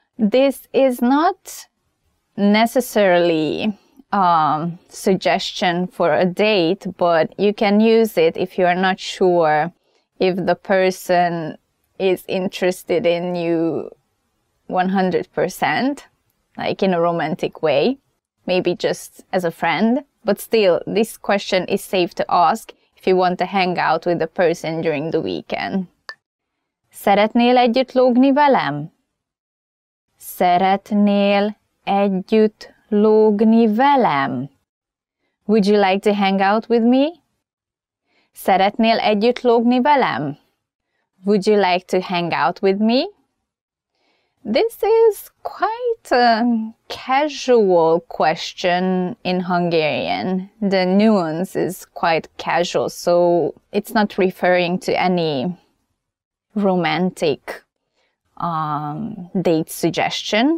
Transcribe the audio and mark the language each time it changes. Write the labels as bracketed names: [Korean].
[English] This is not necessarily a suggestion for a date, but you can use it if you are not sure if the person is interested in you 100%, like in a romantic way, maybe just as a friend. But still, this question is safe to ask if you want to hang out with a person during the weekend. [Hungarian] Szeretnél együtt lógni velem? Szeretnél együtt lógni velem? [English] Would you like to hang out with me? [Hungarian] Szeretnél együtt lógni velem? [English] Would you like to hang out with me? This is quite a casual question in Hungarian. The nuance is quite casual, so it's not referring to any romantic date suggestion.